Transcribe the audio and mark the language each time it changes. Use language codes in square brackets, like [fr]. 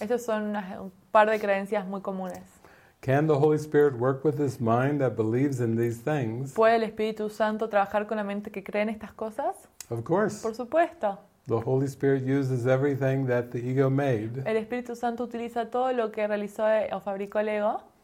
[es] Estos son un par de creencias muy comunes. [en] Can the Holy Spirit work with this mind that believes in these things? [es] ¿Puede el Espíritu Santo trabajar con la mente que cree en estas cosas? [en] Of course. [es] Por supuesto. [en] The Holy Spirit uses everything that the ego made. [es] El Espíritu Santo utiliza todo lo que realizó o fabricó el ego.